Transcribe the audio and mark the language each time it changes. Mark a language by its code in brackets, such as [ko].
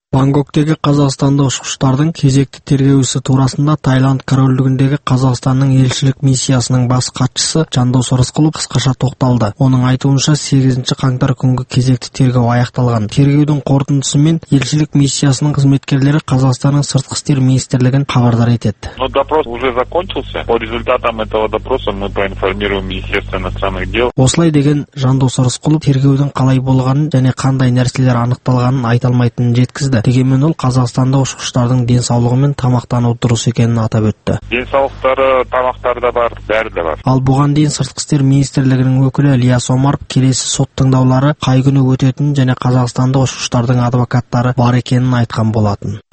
[kk] Бангоктегі қазақстандық ұшқыштардың кезекті тергеуісі турасында Таиланд корольдігіндегі Қазақстанның елшілік миссиясының бас хатшысы Жандос Рысқұлов қысқаша тоқталды. Оның айтуынша 8 қаңтар күнгі кезекті тергеу аяқталған. Тергеудің қорытындысымен елшілік миссиясының қызметкерлері Қазақстанның сыртқы істер министрлігін хабардар етеді. [ru] Но допрос уже закончился. По результатам этого допроса мы проинформируем Министерство иностранных дел. [kk] Осылай деген Жандос Рысқұлов тергеудің қалай болғанын және қандай нәрселер анықталғанын айта алмайтынын жеткізді. Дегенмен ол Қазақстанда ұшқыштардың денсаулығы мен тамақтану дұрыс екенін атап өтті. Денсаулықтары тамақтарда бар, бәрі де бар. Ал бұған дейін сыртқы істер министрлігінің өкілі Ілияс Омаров келесі сот тыңдаулары қай күні өтетінін және Қазақстанда ұшқыштардың адвокаттары бар екенін айтқан болатын.